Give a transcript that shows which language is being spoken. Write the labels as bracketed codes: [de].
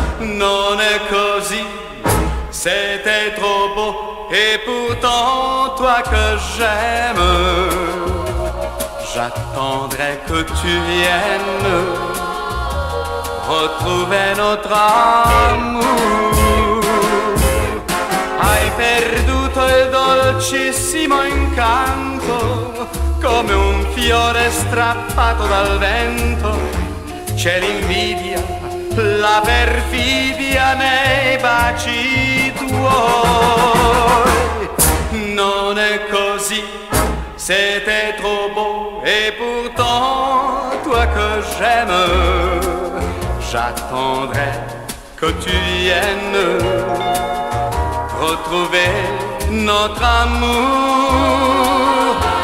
[fr] Non est qu'aussi, c'était trop beau, et pourtant toi que j'aime, j'attendrai que tu viennes retrouver notre amour. [it] Hai perduto il dolcissimo incanto, come un fiore strappato dal vento. C'è l'invidia, la perfidia nei baci tuoi. Non è così, [fr] c'était trop beau, et pourtant, toi que j'aime, j'attendrai que tu viennes retrouver notre amour.